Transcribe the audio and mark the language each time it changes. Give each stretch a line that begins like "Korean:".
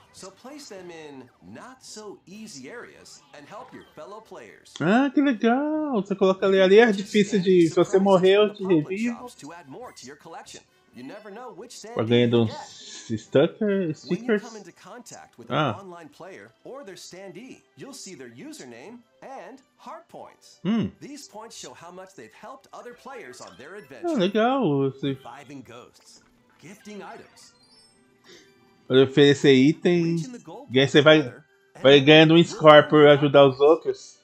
English: So place them in not so easy areas and help your fellow players.
Portuguese: Ah, que legal. Você coloca ali é difícil de se você morrer eu te revivo. Para ganhar uns stickers.
English: When you contact with online player or their standee, you'll see their username and heart points. These points show how much they've helped other players on their adventure.
Portuguese: Ah, legal.
English: Reviving ghosts. Gifting items.
Portuguese: Oferecer item, você vai ganhando um score por ajudar os outros.